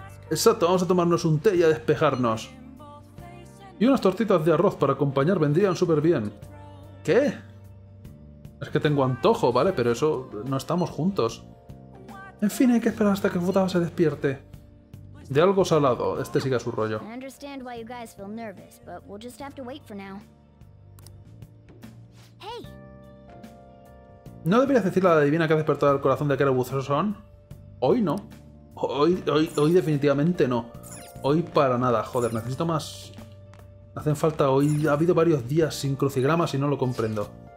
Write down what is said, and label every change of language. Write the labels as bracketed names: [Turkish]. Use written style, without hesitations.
[Spanish] Exacto, vamos a tomarnos un té y a despejarnos. Y unas tortitas de arroz para acompañar vendrían súper bien. ¿Qué? Es que tengo antojo, ¿vale? Pero eso, no estamos juntos. En fin, hay que esperar hasta que Futaba se despierte. De algo salado, este sigue a su rollo. [English] I understand why you guys feel nervous, but we'll just have to wait for now. Hey. [Spanish] ¿No deberías decirle a la divina que ha despertado el corazón de aquel buzón? Hoy no. Hoy definitivamente no. Hoy para nada, joder, necesito más. Hacen falta hoy. Ha habido varios días sin crucigramas y no lo comprendo.